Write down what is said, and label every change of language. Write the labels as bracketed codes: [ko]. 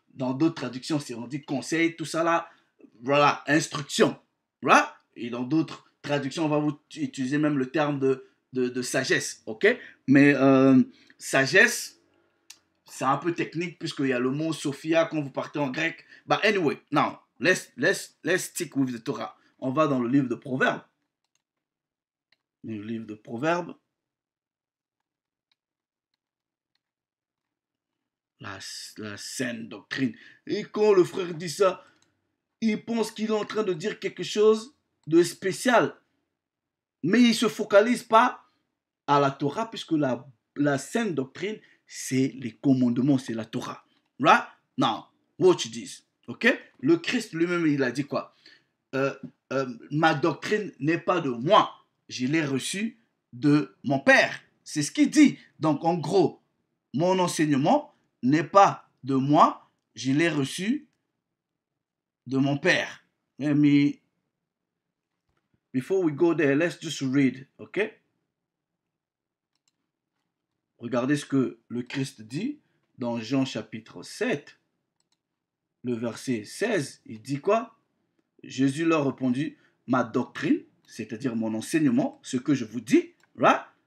[fr] Dans d'autres traductions, c'est on dit conseil, tout ça là. Voilà, instruction. Right? Et dans d'autres traduction, on va vous utiliser même le terme de sagesse, ok? Mais sagesse, c'est un peu technique puisqu'il y a le mot Sophia quand vous partez en grec. [en] But anyway, now, let's stick with the Torah. [fr] On va dans le livre de Proverbes. Le livre de Proverbes. La saine doctrine. Et quand le frère dit ça, il pense qu'il est en train de dire quelque chose de spécial. Mais il ne se focalise pas à la Torah, puisque la saine doctrine, c'est les commandements, c'est la Torah. Right? [en] Now, watch this. [fr] Ok? Le Christ lui-même, il a dit quoi? Ma doctrine n'est pas de moi. Je l'ai reçue de mon Père. C'est ce qu'il dit. Donc, en gros, mon enseignement n'est pas de moi. Je l'ai reçu de mon Père. [en] Let me... Before we go there, let's just read, ok? [fr] Regardez ce que le Christ dit dans Jean chapitre 7, le verset 16. Il dit quoi? Jésus leur répondit, ma doctrine, c'est-à-dire mon enseignement, ce que je vous dis, right?